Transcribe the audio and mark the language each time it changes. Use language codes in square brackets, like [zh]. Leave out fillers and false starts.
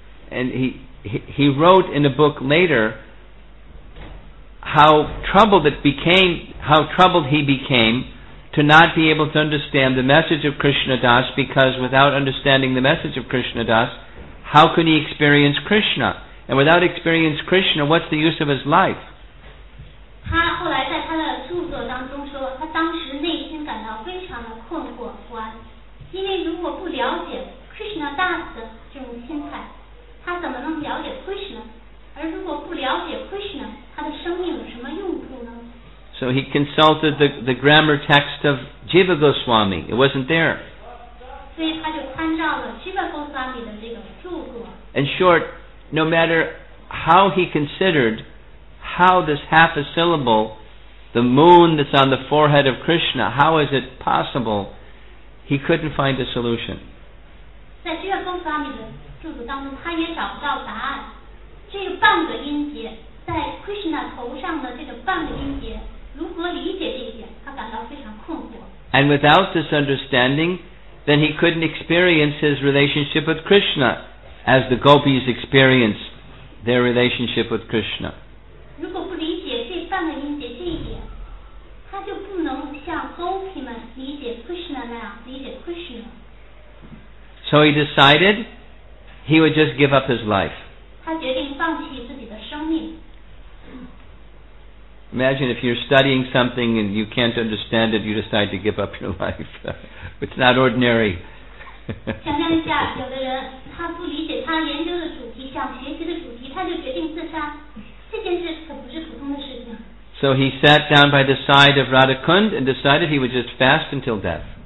[en] And he wrote in a book later how troubled he became to not be able to understand the message of Krishna Das, because without understanding the message of Krishna Das, how could he experience Krishna? And without experience Krishna, what's the use of his life? [zh] 他后来在他的著作当中说，他当时内心感到非常的困惑不安。因为如果不了解 Krishna Das 的这种心态，他怎么能了解 Krishna？而如果不了解 Krishna， 他的生命有什么用处呢 [en] ？So he consulted the grammar text of Jiva Goswami. It wasn't there. [zh] 所以他就参照了 Jiva Goswami 的这个著作。 [en] In short, no matter how he considered how this half a syllable, the moon that's on the forehead of Krishna, how is it possible? He couldn't find a solution. [zh] 在这个公司阿米的著作当中，他也找不到答案。这个半个音节，在 Krishna 头上的这个半个音节，如何理解这一点？他感到非常困惑。 [en] And without this understanding, then he couldn't experience his relationship with Krishna as the gopis experience their relationship with Krishna. [zh] 如果不理解这半个音节这一点，他就不能像 gopi 们理解 Krishna 那样理解 Krishna。 [en] So he decided he would just give up his life. [zh] 他决定放弃自己的生命。 [en] Imagine if you're studying something and you can't understand it, you decide to give up your life. It's not ordinary. [zh] 想象一下，有的人他不理解他研究的主题，想学习的主题，他就决定自杀。这件事可不是普通的事情。 [en] So he sat down by the side of Radhakund and decided he would just fast until death.